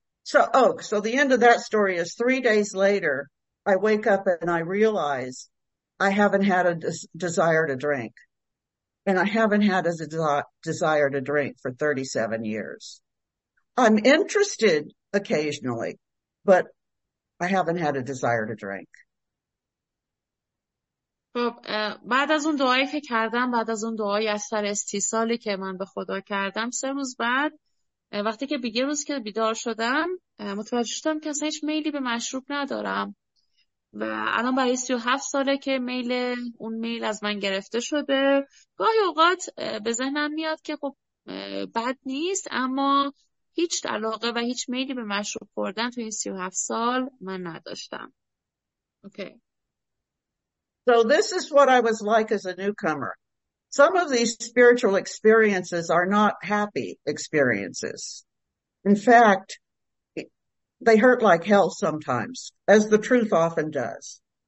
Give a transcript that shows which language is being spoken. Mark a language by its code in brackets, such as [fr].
[en] So the end of that story is 3 days later, I wake up and I realize I haven't had a desire to drink. And I haven't had a desire to drink for 37 years. I'm interested occasionally, but I haven't had a desire to drink. [fa] خب بعد از اون دعایی که کردم، بعد از اون دعای از سر استیصالی که من به خدا کردم، 3 روز بعد وقتی که بیگه روز که بیدار شدم متوجه شدم که اصلا هیچ میلی به مشروب ندارم و الان برای 37 ساله که اون میل از من گرفته شده. گاهی اوقات به ذهنم میاد که خب بد نیست، اما هیچ علاقه و هیچ میلی به مشروب خوردن تو این 37 سال من نداشتم. [en] Okay. So this is what I was like as a newcomer. Some of these spiritual experiences are not happy experiences. In fact, they hurt like hell sometimes, as the truth often does.